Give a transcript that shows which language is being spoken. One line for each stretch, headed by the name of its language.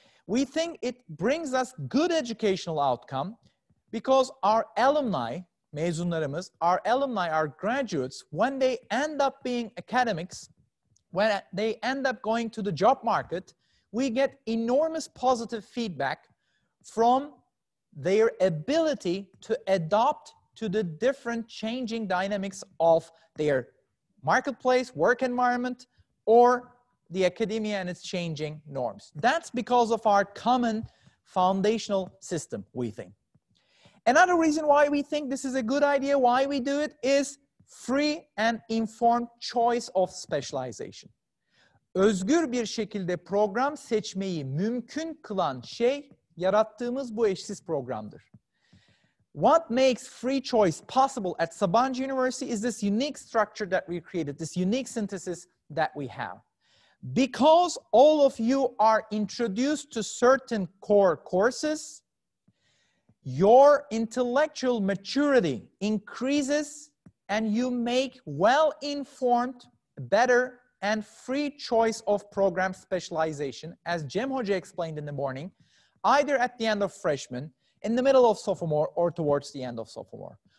English: We think it brings us good educational outcome, because our alumni, mezunlarımız, our alumni, our graduates, when they end up being academics, when they end up going to the job market, we get enormous positive feedback from their ability to adapt to the different changing dynamics of their marketplace, work environment, or the academia and its changing norms. That's because of our common foundational system, we think. Another reason why we think this is a good idea, why we do it, is free and informed choice of specialization.
Turkish: Özgür bir şekilde program seçmeyi mümkün kılan şey yarattığımız bu eşsiz programdır.
English: What makes free choice possible at Sabancı University is this unique structure that we created, this unique synthesis that we have. Because all of you are introduced to certain core courses, your intellectual maturity increases and you make well-informed, better and free choice of program specialization, as Cem Hoca explained in the morning, either at the end of freshman, in the middle of sophomore, or towards the end of sophomore.